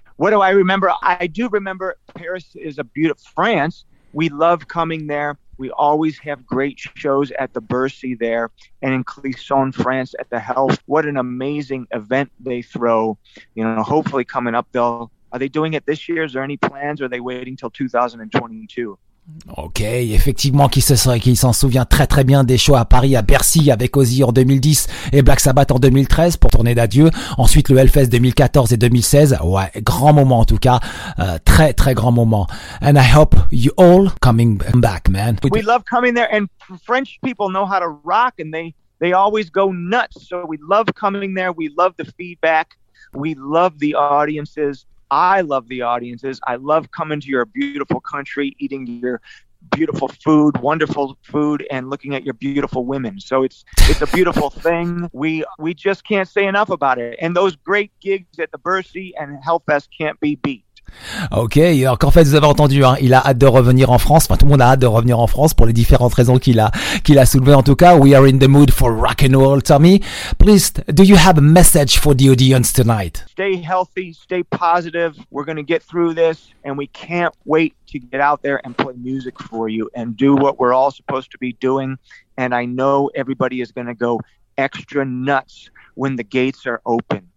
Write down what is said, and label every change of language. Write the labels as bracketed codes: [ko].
[en] What do I remember? I do remember Paris is a beautiful France. We love coming there. We always have great shows at the Bercy there and in Clisson, France at the Hellfest. What an amazing event they throw. You know, hopefully coming up, they'll... Are they doing it this year? Is there any plans? Or are they waiting till 2022? [fr] Ok, effectivement, qui s'en souvient très très bien des shows à Paris, à Bercy, avec Ozzy en 2010 et Black Sabbath en 2013 pour tourner d'adieu. Ensuite, le Hellfest 2014 et 2016. Ouais, grand moment en tout cas. Très très grand moment. [en] And I hope you all coming back, man. We love coming there and French people know how to rock and they always go nuts. So we love coming there. We love the feedback. We love the audiences. I love the audiences. I love coming to your beautiful country, eating your beautiful food, wonderful food, and looking at your beautiful women. So it's a beautiful thing. We just can't say enough about it. And those great gigs at the Bercy and Hellfest can't be beat. [fr] Ok, alors qu'en fait vous avez entendu, hein, il a hâte de revenir en France, enfin tout le monde a hâte de revenir en France pour les différentes raisons qu'il a soulevées en tout cas. [en] We are in the mood for rock and roll, Tommy. Please, do you have a message for the audience tonight? Stay healthy, stay positive, we're going to get through this and we can't wait to get out there and play music for you and do what we're all supposed to be doing. And I know everybody is going to go extra nuts when the gates are open.